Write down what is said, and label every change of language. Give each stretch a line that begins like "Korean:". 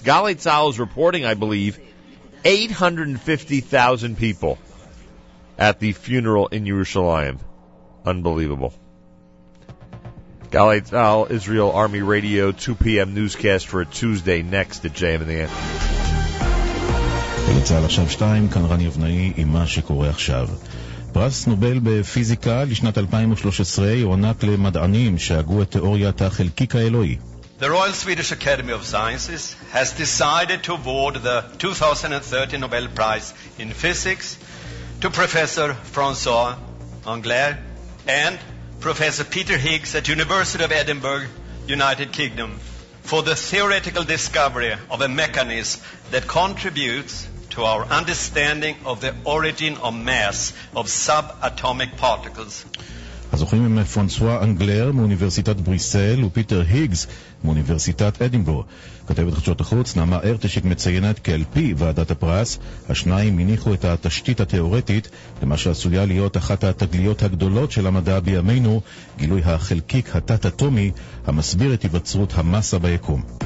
English: Galei Tzahal is reporting, I believe, 850,000 people at the funeral in Yerushalayim. Unbelievable. Galei Tzahal, Israel Army Radio, 2 p.m. newscast for a Tuesday next at JM in the AM.
Hebrew: Galei Tzahal, עכשיו 2, כאן רני אבנאי, עם מה שקורה עכשיו. פרס נובל בפיזיקה לשנת 2013 הוענק למדענים שהגו את תיאוריית החלקיק האלוהי.
English: The Royal Swedish Academy of Sciences has decided to award the 2013 Nobel Prize in Physics to Professor François Englert and Professor Peter Higgs at University of Edinburgh, United Kingdom, for the theoretical discovery of a mechanism that contributes to our understanding of the origin of mass of subatomic particles.
Hebrew: הזוכים הם פרנסואה אנגלר מאוניברסיטת בריסל ופיטר היגס מאוניברסיטת אדינבור. כתבת חדשות החוץ נעמה ארטשיק מציינת כי על פי ועדת הפרס, השניים הניחו את התשתית התיאורטית למה שעשויה להיות אחת התגליות הגדולות של המדע בימינו, גילוי החלקיק התת-אטומי המסביר את היווצרות המסה ביקום.